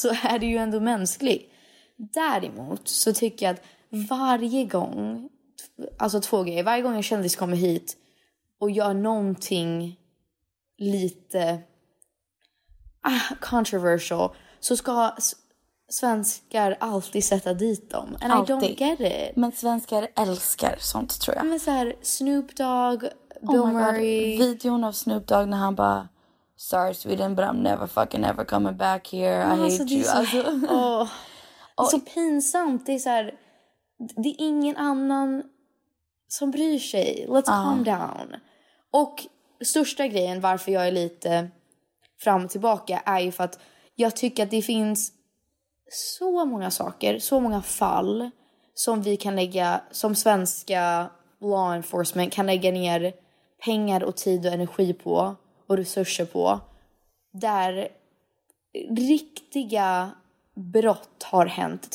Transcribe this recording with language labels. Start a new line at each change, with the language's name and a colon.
Swedish: Så är du ju ändå mänsklig. Däremot så tycker jag att varje gång, alltså två grejer, varje gång en kändis kommer hit och gör någonting lite controversial, så ska svenskar alltid sätta dit dem.
English: And alltid. I don't get it.
Swedish: Men svenskar älskar sånt, tror jag. Men så här, Snoop Dogg, Bill Murray. Videon av Snoop Dogg när han bara...
English: Sorry Sweden, but I'm never fucking ever coming back here. I alltså, hate you. Alltså...
Swedish: Så pinsamt, det är så här, det är ingen annan som bryr sig.
English: Let's calm down.
Swedish: Och största grejen varför jag är lite fram och tillbaka är ju för att jag tycker att det finns så många saker, så många fall som vi kan lägga, som svenska law enforcement kan lägga ner pengar och tid och energi på och resurser på, där riktiga brott har hänt.